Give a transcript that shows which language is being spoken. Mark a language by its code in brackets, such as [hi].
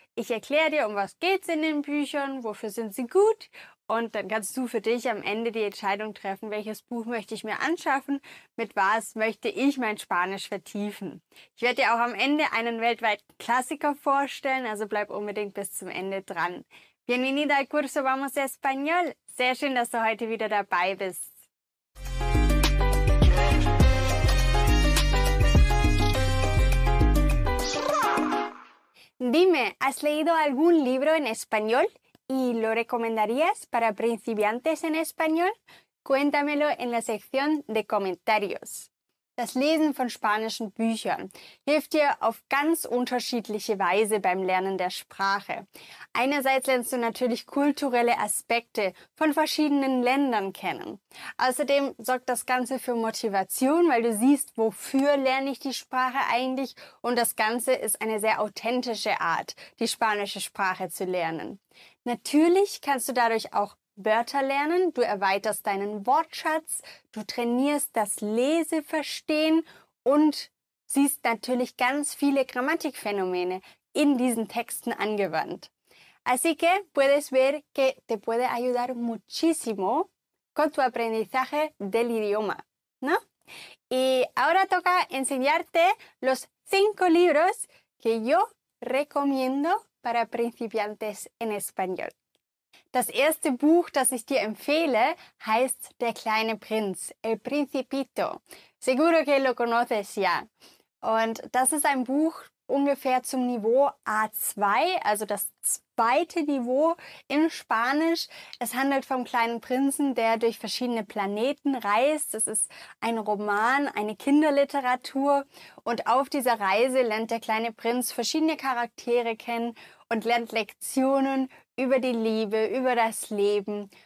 [de] Ich erkläre dir, um was geht's in den Büchern, wofür sind sie gut. Und dann kannst du für dich am Ende die Entscheidung treffen, welches Buch möchte ich mir anschaffen, mit was möchte ich mein Spanisch vertiefen. Ich werde dir auch am Ende einen weltweiten Klassiker vorstellen, also bleib unbedingt bis zum Ende dran. [es] Bienvenida al curso Vamos Español. [de] Sehr schön, dass du heute wieder dabei bist. [es] Dime, ¿has leído algún libro en español y lo recomendarías para principiantes en español? Cuéntamelo en la sección de comentarios. [de] Das Lesen von spanischen Büchern hilft dir auf ganz unterschiedliche Weise beim Lernen der Sprache. Einerseits lernst du natürlich kulturelle Aspekte von verschiedenen Ländern kennen. Außerdem sorgt das Ganze für Motivation, weil du siehst, wofür lerne ich die Sprache eigentlich, und das Ganze ist eine sehr authentische Art, die spanische Sprache zu lernen. Natürlich kannst du dadurch auch Wörter lernen, du erweiterst deinen Wortschatz, du trainierst das Leseverstehen und siehst natürlich ganz viele Grammatikphänomene in diesen Texten angewandt. [es] Así que puedes ver que te puede ayudar muchísimo con tu aprendizaje del idioma, ¿no? Y ahora toca enseñarte los 5 libros que yo recomiendo para principiantes en español. [de] Das erste Buch, das ich dir empfehle, heißt Der kleine Prinz, El Principito. [es] Seguro que lo conoces ya. [de] Und das ist ein Buch ungefähr zum Niveau A2, also das zweite Niveau in Spanisch. Es handelt vom kleinen Prinzen, der durch verschiedene Planeten reist. Das ist ein Roman, eine Kinderliteratur. Und auf dieser Reise lernt der kleine Prinz verschiedene Charaktere kennen und lernt Lektionen über die Liebe, über das Leben.